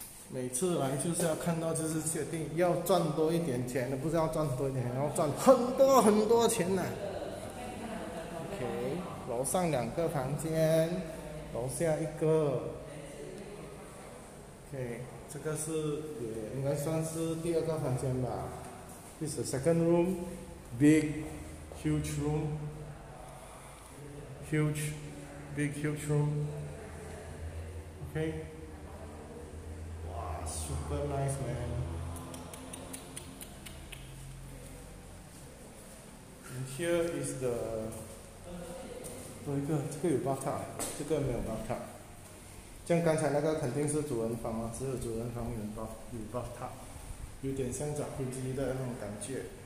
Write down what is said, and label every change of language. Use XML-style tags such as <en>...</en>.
<zh>每次来就是要看到，就是确定要赚多一点钱的，不是要赚多一点钱，要赚很多很多钱呢、啊。 OK， 楼上两个房间，楼下一个。 OK， 这个是也应该算是第二个房间吧。</zh> <en>This is second room, big, huge room, huge, big huge room. OK。 Super nice man，</en> <zh>嗯 ，</zh> <en>here is the，</en> <zh>多一个，这个有 bathtub， 这个没有 bathtub， 像刚才那个肯定是主人房啊，只有主人房有 bathtub， 有点像澡盆机的那种感觉。</zh>